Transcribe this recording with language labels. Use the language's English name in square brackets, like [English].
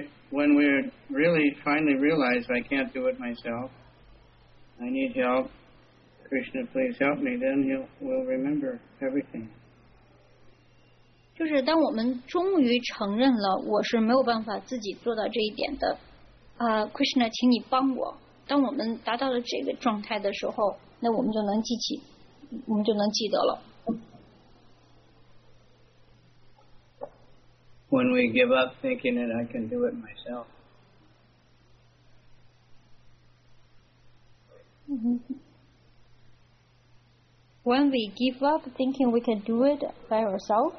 [English] When we really finally realize I can't do it myself, I need help, Krishna, please help me, then he will remember everything. [Chinese] 就是当我们终于承认了我是没有办法自己做到这一点的，Krishna, 请你帮我。当我们达到了这个状态的时候，那我们就能记起。我们就能记得了。 [English] When we give up thinking that I can do it myself. 嗯。 When we give up thinking we can do it by ourselves.